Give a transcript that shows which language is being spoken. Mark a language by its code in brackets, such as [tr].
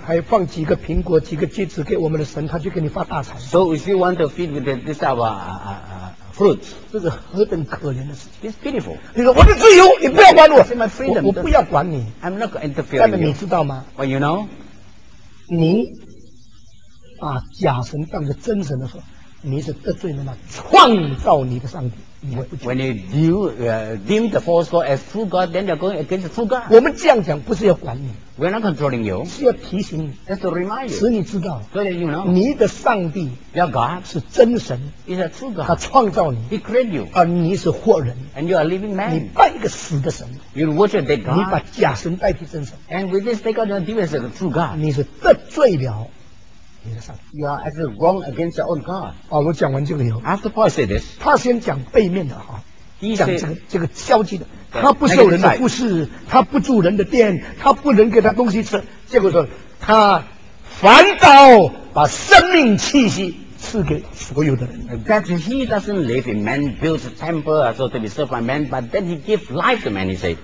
[zh] 还放几个苹果、几个橘子给我们的神，他就给你发大财。 [en] So if you want to feed with this our fruits， [zh] 这是何等可怜的事情 [en] ！It's pitiful。 [zh] 你说我的自由，你不要管我。 [en] It's my freedom。 [zh] 我不要管你。 [en] I'm not interfering with you。 [zh] 你知道吗 [en] ？Well, you know， [zh] 你把假神当作真神的时候，你是得罪了那创造你的上帝。 [en] When you deem the false God as true God, then you're going against the true God. [zh] 我们这样讲不是要管你 [en] ，We're not controlling you. [zh] 是要提醒你 [en] ，That's to remind you. [zh] 使你知道 [en] ，So that you know. [zh] 你的上帝 [en] ，Your God [zh] 是真神 [en] ，Is a true God. [zh] 他创造你 [en] ，He created you. [zh] 而你是活人 [en] ，And you are living man. [zh] 你拜一个死的神 [en] ，You worship dead God. [zh] 你把假神代替真神 [en] ，And with this dead God, you deem as a true God. [zh] 你是得罪了。 [en] You are actually wrong against your own God. [zh] 保罗讲完这个以后 [en] ，After Paul said this， [zh] 他先讲背面的哈，一讲这个消极的，他不受人的服侍，他不住人的店，他不能给他东西吃，结果说他反倒把生命气息赐给所有的人。 [en] That he doesn't live in man built temple as to be served by man, but then he gives life to man. He said，